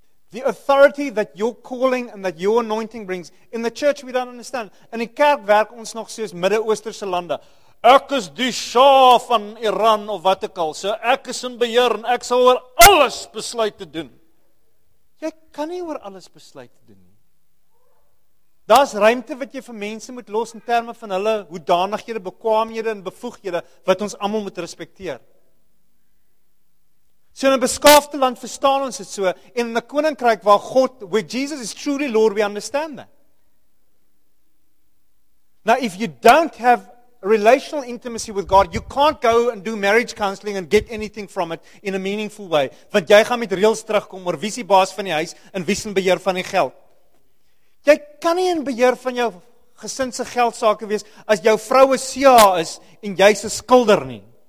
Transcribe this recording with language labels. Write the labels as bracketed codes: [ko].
[en] The authority that your calling and that your anointing brings, in the church we don't understand. [af] In die kerk werk ons nog soos Midde-Oosterse lande. Ek is die Shah van Iran of wat ek al, so ek is in beheer en ek sal oor alles besluit te doen. Jy kan nie oor alles besluit te doen. Daar is ruimte wat jy vir mense moet los in terme van hulle hoedanighede, bekwaamhede en bevoegdhede wat ons allemaal moet respekteer. So in 'n beskaafde land verstaan ons dit so, en in 'n koninkryk waar God, [en] where Jesus is truly Lord, we understand that. Now if you don't have relational intimacy with God, you can't go and do marriage counseling and get anything from it in a meaningful way. [af] Want jy gaan met reels terugkom oor wie is die baas van die huis en wie is in beheer van die geld. Jy kan nie in beheer van jou gesin se geldsaake wees as jou vrou 'n CA is en jy's 'n skilder nie.